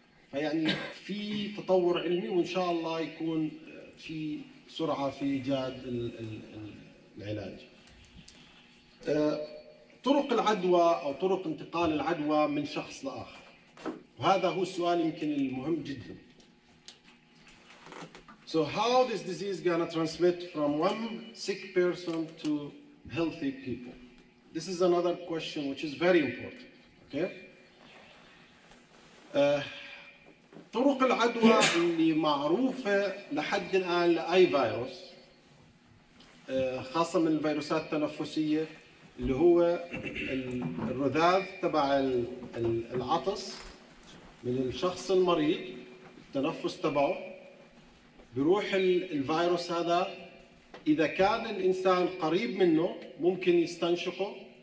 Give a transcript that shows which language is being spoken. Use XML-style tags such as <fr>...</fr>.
<ar>فيعني في تطور علمي وإن شاء الله يكون في سرعة في إيجاد العلاج. طرق العدوى أو طرق انتقال العدوى من شخص لآخر. وهذا هو السؤال يمكن المهم جدا.</ar> <en>So how this disease gonna transmit from one sick person to healthy people? This is another question which is very important. Okay.</en> <ar>طرق العدوى اللي معروفة لحد الآن لأي فيروس خاصة من الفيروسات التنفسية اللي هو الرذاذ تبع العطس من الشخص المريض التنفس تبعه بروح الفيروس هذا إذا كان الإنسان قريب منه ممكن يستنشقه</ar>